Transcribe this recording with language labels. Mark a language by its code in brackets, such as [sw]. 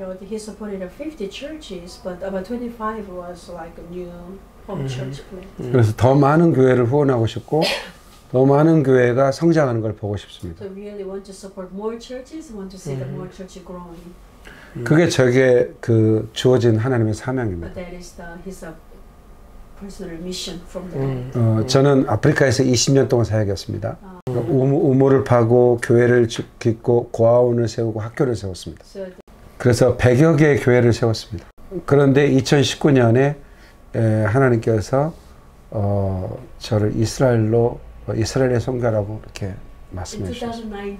[en] He supported 50 churches, but about 25 was like a new home church plant. [ko] 그래서 더 많은 교회를 후원하고 싶고 더 많은 교회가 성장하는 걸 보고 싶습니다. [en] So really want to support more churches, want to see more churches growing. [ko] 그게 저게 그 주어진 하나님의 사명입니다. [en] But that is his personal mission from the. [ko] 저는 아프리카에서 20년 동안 사역했습니다. 우물을 파고 교회를 짓고 고아원을 세우고 학교를 세웠습니다. 그래서 100여 개의 교회를 세웠습니다. 그런데 2019년에 하나님께서 저를 이스라엘로 이스라엘에 선교라고 이렇게 말씀해 주셨습니다.